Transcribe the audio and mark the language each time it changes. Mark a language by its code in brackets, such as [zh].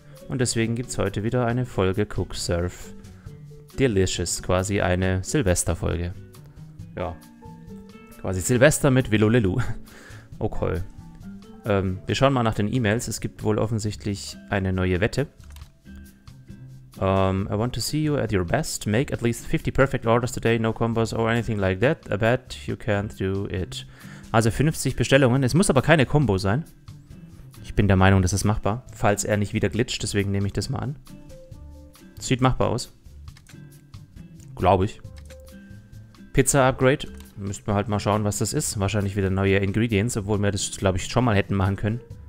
[de] Und deswegen gibt es heute wieder eine Folge Cook, Serve, Delicious, quasi eine Silvester-Folge. Ja, quasi Silvester mit Willu Lillu. Okay. Wir schauen mal nach den E-Mails. Es gibt wohl offensichtlich eine neue Wette. [en] I want to see you at your best. Make at least 50 perfect orders today. No combos or anything like that. I bet you can't do it. [de] Also 50 Bestellungen. Es muss aber keine Combo sein. Ich bin der Meinung, das ist machbar. Falls er nicht wieder glitscht, deswegen nehme ich das mal an. Sieht machbar aus. Glaube ich. Pizza Upgrade. Müssten wir halt mal schauen, was das ist. Wahrscheinlich wieder neue Ingredients, obwohl wir das, glaube ich, schon mal hätten machen können.